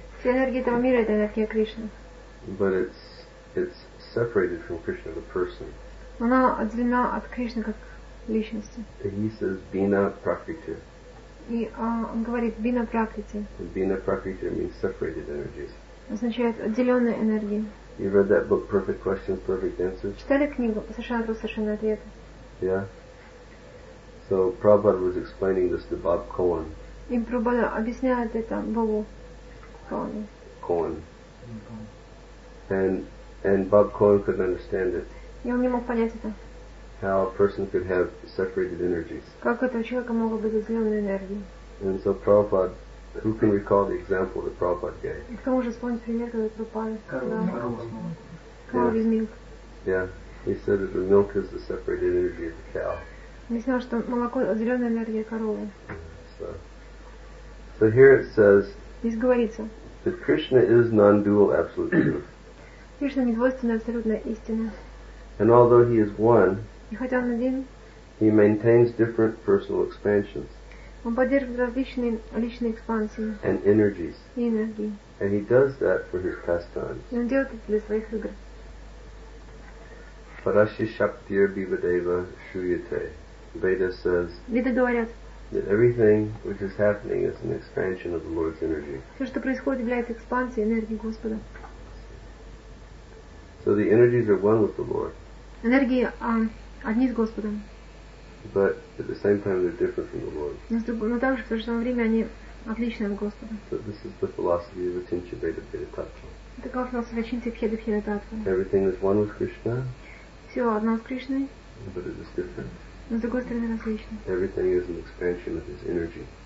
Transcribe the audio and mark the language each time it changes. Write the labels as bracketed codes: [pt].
[ru] Вся энергия этого мира это энергия Кришны. [en] But it's separated from Krishna the person. [ru] Она отделена от Кришны как личности. [en] He says Bina Prakriti. [ru] И он говорит Bina Prakriti. [en] Bina Prakriti means separated energies. [ru] Означает отделенные энергии. [en] You read that book, Perfect Questions, Perfect Answers? [ru] Читали книгу Совершенный вопрос, совершенный ответ? [en] Yeah. So Prabhupada was explaining this to Bob Cohen. [ru] И Прабхупада объясняет это Бобу Коэну. [en] Cohen. And Bob Cohen couldn't understand it. [ru] И он не мог понять это. [en] How a person could have separated energies. [ru] Как это у человека могло быть разделенные энергии? [en] And so Prabhupada, who can recall the example that Prabhupada gave? [ru] И кто может вспомнить пример, когда Прабхупада? Коров из [en] milk. Yeah, he said that the milk is the separated energy of the cow. [ru] Не знал, что молоко зеленая энергия коровы. [en] So here it says. [ru] Здесь говорится. [en] That Krishna is non-dual absolute truth. [ru] Кришна недвойственная абсолютная истина. [en] And although he is one. [ru] И хотя он один. [en] He maintains different personal expansions. [ru] Он поддерживает различные личные экспансии. [en] And energies. [ru] И энергии. [en] And he does that for his pastimes. [ru] И он делает это для своих игр. [sa] Parashi shaktir bivadeva shuyate. [en] Veda says that everything which is happening is an expansion of the Lord's energy. [ru] Все, что происходит, является экспансией энергии Господа. [en] So the energies are one with the Lord. [ru] Энергии одни с Господом. [en] But at the same time, they're different from the Lord. [ru] Но также в то же самое время они отличны от Господа. [en] So this is the philosophy of Acincha Veda Tattva. [ru] Такова философия Acincha Veda Bheda Tattva. [en] Everything is one with Krishna. [ru] Все одно с Кришной. [en] But it is different. [ru] Но с другой стороны различно. [en] Everything is an expansion of his energy.